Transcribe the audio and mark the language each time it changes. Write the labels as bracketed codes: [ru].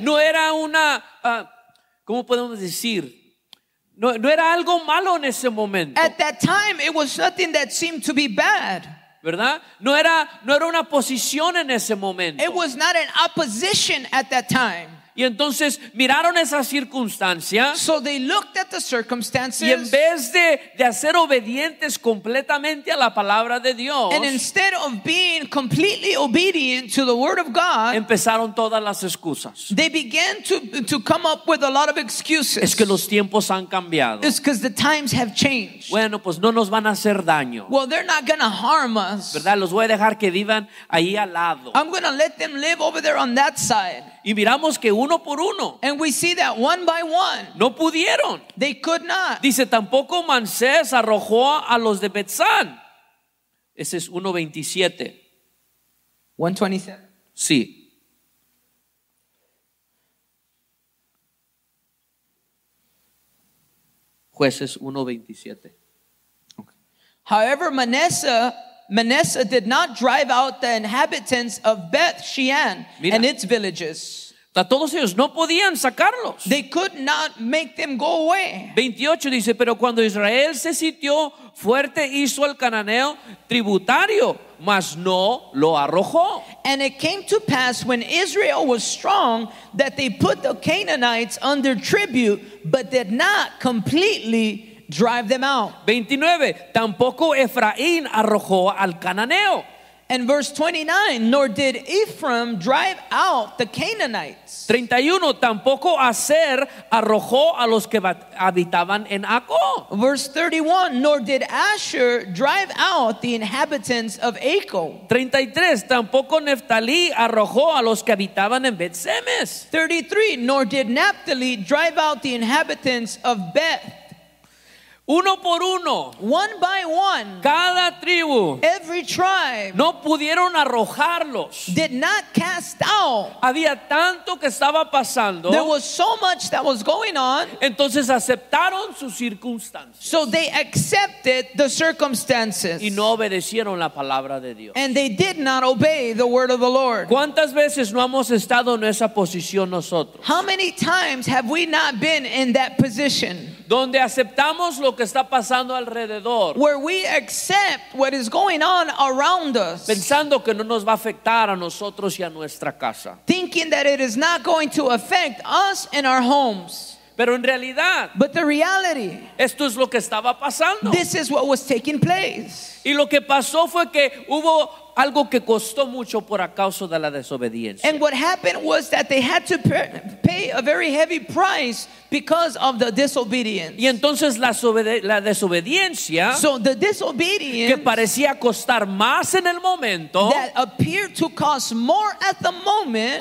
[es] no era una, ¿cómo podemos decir? No era algo malo en ese momento. [en] At that time, it was nothing that seemed to be bad. [es] ¿Verdad? No era una posición en ese momento. [en] It was not an opposition at that time. [es] Y entonces miraron esa circunstancia. [en] So they looked at the circumstances. [es] Y en vez de hacer obedientes completamente a la palabra de Dios, [en] and instead of being completely obedient to the word of God, [es] empezaron todas las excusas. [en] They began to come up with a lot of excuses. [es] Es que los tiempos han cambiado. [en] It's because the times have changed. [es] Bueno, pues no nos van a hacer daño. [en] Well, they're not going to harm us. [es] ¿Verdad? Los voy a dejar que vivan ahí al lado. [en] I'm going to let them live over there on that side. [es] Y miramos que uno por uno, [en] and we see that one by one, [es] no pudieron. [en] They could not. [es] Dice, tampoco Manasés arrojó a los de Betzán. Ese es 1:27. 1:27. Sí. Jueces 1:27. [en] Okay. However, Manasseh did not drive out the inhabitants of Beth Shean and its villages. [es] A todos ellos no podían sacarlos. [en] They could not make them go away. [es] 28 dice, pero cuando Israel se sitió fuerte, hizo al cananeo tributario, mas no lo arrojó. [en] And it came to pass when Israel was strong that they put the Canaanites under tribute, but did not completely drive them out. [es] 29. Tampoco Efraín arrojó al cananeo. [en] And verse 29, nor did Ephraim drive out the Canaanites. [es] 31, tampoco Aser arrojó a los que habitaban en Aco. [en] Verse 31, nor did Asher drive out the inhabitants of Aco. [es] 33, tampoco Neftalí arrojó a los que habitaban en Bet-Semes. [en] 33, nor did Naphtali drive out the inhabitants of Beth. [es] Uno por uno, [en] one by one, [es] cada tribu, [en] every tribe, [es] no pudieron arrojarlos, [en] did not cast out. [es] Había tanto que estaba pasando. [en] There was so much that was going on. [es] Entonces aceptaron sus circunstancias. [en] So they accepted the circumstances. [es] Y no obedecieron la palabra de Dios. [en] And they did not obey the word of the Lord. [es] ¿Cuántas veces no hemos estado en esa posición nosotros? [en] How many times have we not been in that position? [es] Donde aceptamos lo que está pasando alrededor. [en] Where we accept what is going on around us. [es] Pensando que no nos va a afectar a nosotros y a nuestra casa. [en] Thinking that it is not going to affect us and our homes. [es] Pero en realidad, [en] but the reality, [es] esto es lo que estaba pasando. [en] This is what was taking place. [es] Y lo que pasó fue que hubo algo que costó mucho por a causa de la desobediencia. [en] And what happened was that they had to pay a very heavy price because of the disobedience. [es] Y entonces la desobediencia, [en] so the disobedience, [es] que parecía costar más en el momento, [en] that appeared to cost more at the moment,